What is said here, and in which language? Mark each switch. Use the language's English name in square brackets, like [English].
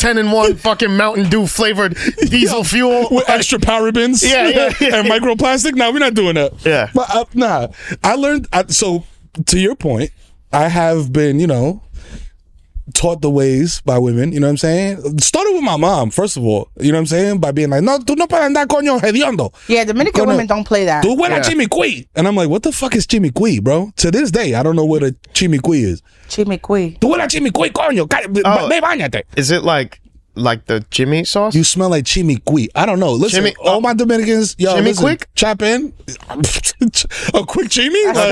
[English] The 10-in-1 fucking Mountain Dew flavored diesel fuel with extra parabens. Yeah. And microplastic. No, we're not doing that. Yeah. But I learned. So to your point, I have been, you know, taught the ways by women, you know what I'm saying? Started with my mom, first of all, you know what I'm saying? By being like, [Spanish] no, tú no puedes andar coño hediondo. [English] Yeah, Dominican women don't play that. [Spanish] Tú buena chimicui. [English] And I'm like, what the fuck is chimicui, bro? To this day, I don't know what a chimicui is. [Spanish] Chimicui. Tú buena chimicui, coño. Ve bañate. [English] Is it like the chimmy sauce? You smell like chimicui. I don't know. Listen, all my Dominicans, yo, chimicuic? Listen, chop in. A quick chimmy?